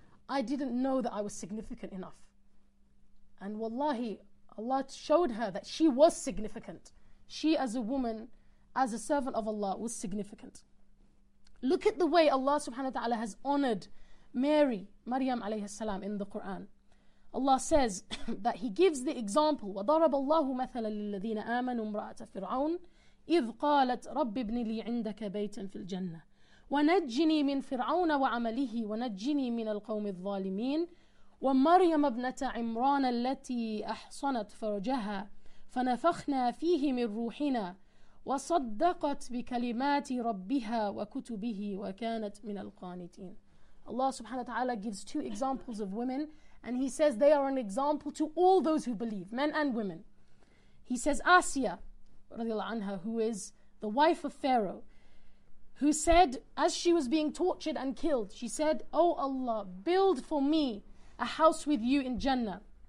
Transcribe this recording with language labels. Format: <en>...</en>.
<en>I didn't know that I was significant enough. And wallahi, Allah showed her that she was significant. She, as a woman, as a servant of Allah, was significant. Look at the way Allah subhanahu wa ta'ala has honored Mary, Maryam alayhi salam, in the Quran. Allah says that he gives the example,</en> <ar>وَضَرَبَ اللَّهُ مَثَلًا لِلَّذِينَ آمَنُوا امْرَأَةَ فِرْعَوْنَ إِذْ قَالَتْ رَبِّ ابْنِ لِي عِنْدَكَ بَيْتًا فِي الْجَنَّةِ وَنَجِّنِي مِنْ فِرْعَوْنَ وَعَمَلِهِ وَنَجِّنِي مِنَ الْقَوْمِ الظَّالِمِينَ وَمَرْيَمَ ابْنَةَ عِمْرَانَ الَّتِي أَحْصَنَتْ فَرْجَهَا فَنَفَخْنَا فِيهِ مِنْ رُوحِنَا وَصَدَّقَتْ بِكَلِمَاتِ رَبِّهَا وَكُتُبِهِ وَكَانَتْ مِنَ الْقَانِتِينَ.</ar> <en>Allah subhanahu wa ta'ala gives two examples of women, and he says they are an example to all those who believe, men and women. He says Asiya radiallahu anha, who is the wife of Pharaoh, who said as she was being tortured and killed, she said, oh Allah, build for me a house with you in Jannah.</en>